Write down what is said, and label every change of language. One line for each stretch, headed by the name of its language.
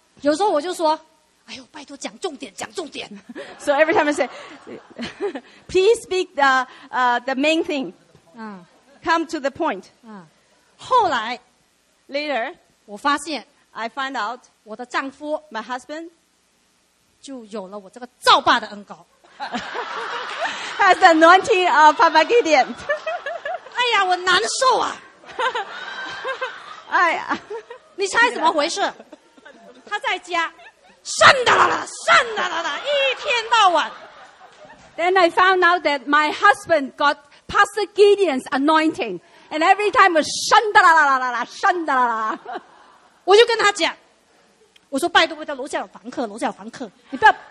Chinese: 有时候我就说，哎呦，拜托讲重点，讲重点。
English: So every time I say, please speak the main thing. Come to the point.
Chinese: 后来
English: later,
Chinese: 我发现
English: I find out
Chinese: 我的丈夫
English: my husband
Chinese: 就有了我这个造爸的恩膏。
English: Has the anointing of Papa Gideon.
Chinese: 哎呀，我难受啊！哎呀，你猜怎么回事？他在家，顺哒啦啦，顺哒啦啦，一天到晚。
English: Then I found out that my husband got Pastor Gideon's anointing, and every time was 顺哒啦啦啦啦啦，顺哒啦啦。
Chinese: 我就跟他讲，我说拜托，拜托，楼下有房客，楼下有房客，你不要。